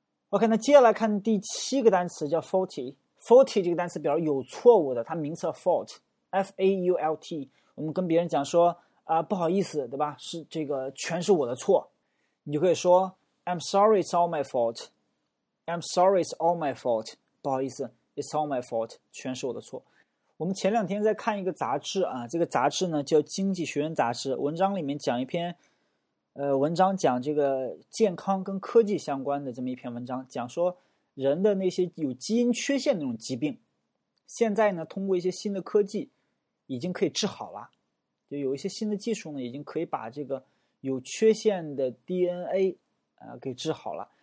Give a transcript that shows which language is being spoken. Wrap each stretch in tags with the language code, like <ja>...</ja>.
<zh>OK， 那接下来看第七个单词叫 faulty。faulty 这个单词表示有错误的，它名词 fault， F-A-U-L-T。我们跟别人讲说啊，不好意思，对吧，是这个全是我的错，你就可以说</zh> <en>I'm sorry it's all my fault。 I'm sorry, it's all my fault.</en> <zh>不好意思</zh> <en>，it's all my fault.</en> <zh>全是我的错。我们前两天在看一个杂志啊，这个杂志呢叫《经济学人》杂志。文章里面讲一篇，文章讲这个健康跟科技相关的这么一篇文章，讲说人的那些有基因缺陷的那种疾病，现在呢通过一些新的科技已经可以治好了，就有一些新的技术呢已经可以把这个有缺陷的 DNA 给治好了。</zh>